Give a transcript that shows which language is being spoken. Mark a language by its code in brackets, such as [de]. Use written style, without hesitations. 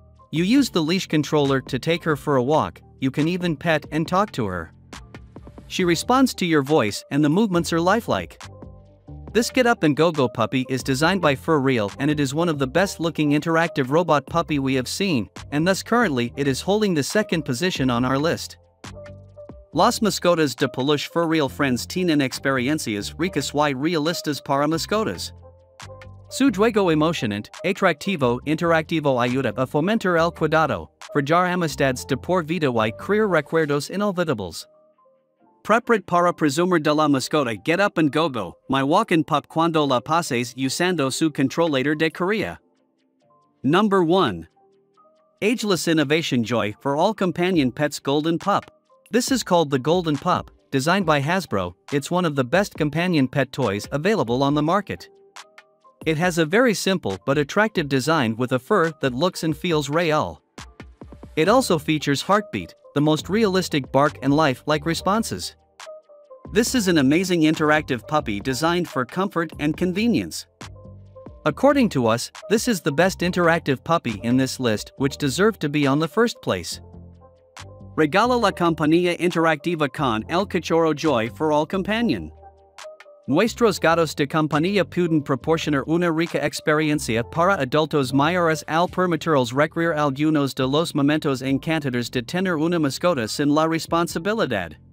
[en] You use the leash controller to take her for a walk, you can even pet and talk to her. She responds to your voice and the movements are lifelike. This Get Up and Go Go puppy is designed by Fur Real and it is one of the best looking interactive robot puppy we have seen, and thus currently it is holding the 2nd position on our list. [es] Las mascotas de peluche Fur Real Friends tienen experiencias ricas y realistas para mascotas. Su juego emocionante, atractivo, interactivo ayuda a fomentar el cuidado, forjar amistades de por vida y crear recuerdos inolvidables. Preparate para presumir de la mascota Get Up and Go Go, My Walkin' Pup cuando la pases usando su controlador de correa. [en] Number 1. Ageless innovation joy for all companion pets Golden Pup. This is called the Golden Pup, designed by Hasbro. It's one of the best companion pet toys available on the market. It has a very simple but attractive design with a fur that looks and feels real. It also features heartbeat, the most realistic bark and life-like responses. This is an amazing interactive puppy designed for comfort and convenience. According to us, this is the best interactive puppy in this list, which deserved to be on the first place. [es] Regala la compañía interactiva con el cachorro joy for all companion. Nuestros gatos de compañía pueden proporcionar una rica experiencia para adultos mayores al permitirles recrear algunos de los momentos encantadores de tener una mascota sin la responsabilidad.